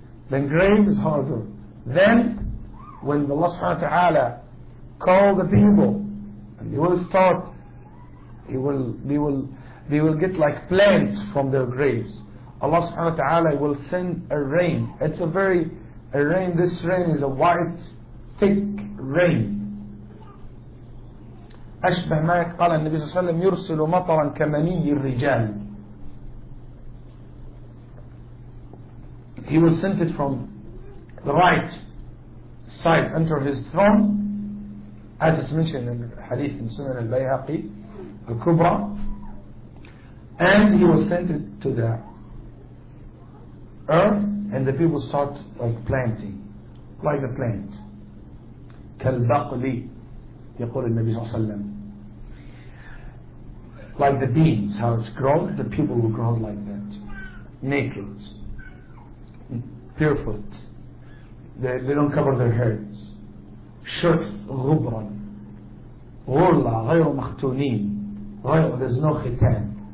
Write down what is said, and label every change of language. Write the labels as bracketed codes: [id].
[en] Then grave is harder. Then, when Allah subhanahu wa ta'ala call the people, and they will start, they will get like plants from their graves. Allah subhanahu wa ta'ala will send a rain. It's a rain, this rain is a white, thick rain. [ar] أشبه ما قال النبي صلى الله عليه وسلم يرسل مطرا كمني الرجال. [en] He will send it from the right side under his throne, as is mentioned in the hadith in Sunan al-Bayhaqi al-Kubra, and he will send it to the earth, and the people start like planting, like a plant. [ar] كالبقلي يقول النبي صلى الله عليه وسلم. [en] Like the beans, how it's grown, the people will grow like that. Naked. Barefoot. They don't cover their heads. Shirt, غبران. [ar] غرلا, غير مختونين. [en] There's no khitan.